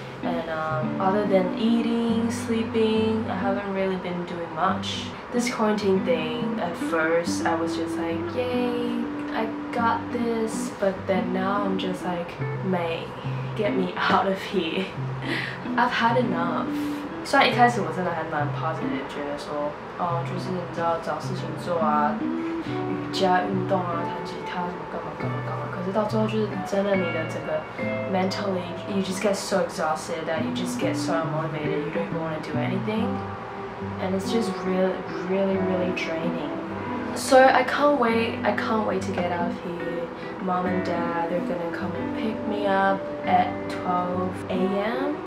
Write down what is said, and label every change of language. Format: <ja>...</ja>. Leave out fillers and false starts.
<en>And other than eating, sleeping, I haven't really been doing much. This quarantine thing, at first, I was just like, yay, I got this. But then now I'm just like, May, get me out of here. I've had enough.</en> <zh>虽然一开始我真的还蛮 positive， 觉得说，哦，就是你知道找事情做啊，瑜伽运动啊，弹吉他什么干嘛干嘛干嘛。可是到最后就是真的你的整个</zh> <en>mentally， you just get so exhausted that you just get so unmotivated， you don't even want to do anything， and it's just really really really draining。 So I can't wait to get out of here。 Mom and dad they're gonna come and pick me up at 12 a.m.</en>